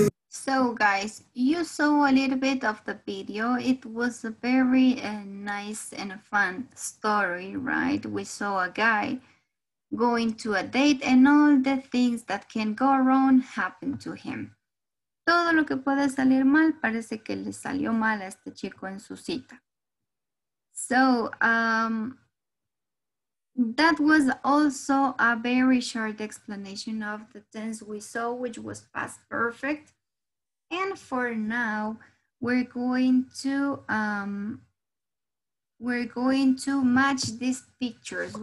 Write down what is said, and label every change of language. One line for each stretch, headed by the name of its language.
English: So guys, you saw a little bit of the video. It was a very nice and fun story, right? We saw a guy going to a date and all the things that can go wrong happen to him.
Spanish: Todo lo que puede salir mal, parece que le salió mal a este chico en su cita.
English: So, that was also a very short explanation of the tense we saw, which was past perfect. And for now, we're going to match these pictures.